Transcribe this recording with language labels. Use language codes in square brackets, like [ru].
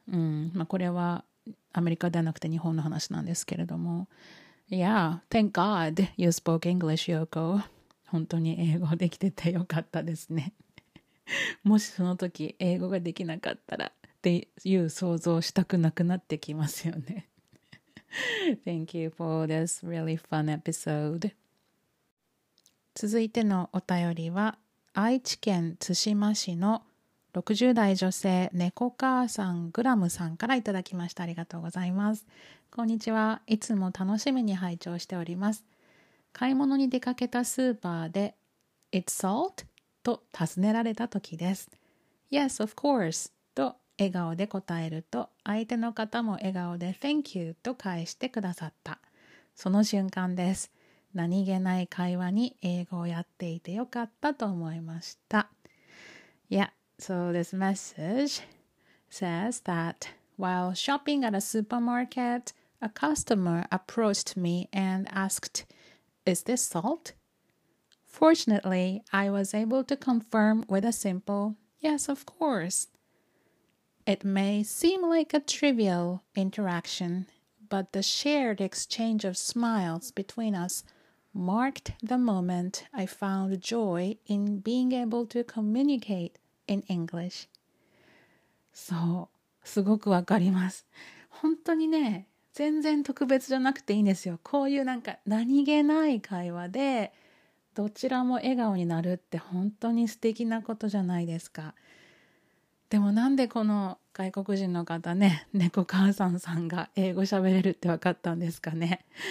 [ja] うん、まあ、これはアメリカではなくて日本の話なんですけれども。 [en] Yeah, thank God you spoke English, Yoko. [ja] 本当に英語できててよかったですね。もしその時英語ができなかったらっていう想像したくなくなってきますよね。 [en] Thank you for this really fun episode. [ja] 続いてのお便りは愛知県対馬市の60代女性、猫母さんグラムさんからいただきました。ありがとうございます。こんにちは。いつも楽しみに拝聴しております。買い物に出かけたスーパーで [en] It's salt? [ja] と尋ねられた時です。 [en] Yes, of course! [ja] と笑顔で答えると、相手の方も笑顔で [en] Thank you! [ja] と返してくださった。その瞬間です。何気ない会話に英語をやっていてよかったと思いました。 [en] Yeah, so this message says that while shopping at a supermarket, a customer approached me and askedIs this salt? Fortunately, I was able to confirm with a simple, yes, of course. It may seem like a trivial interaction, but the shared exchange of smiles between us marked the moment I found joy in being able to communicate in English. [ja] そう、すごくわかります。本当にね、全然特別じゃなくていいんですよ。こういうなんか何気ない会話でどちらも笑顔になるって本当に素敵なことじゃないですか。でもなんでこの外国人の方ね、猫母さんさんが英語喋れるって分かったんですかね。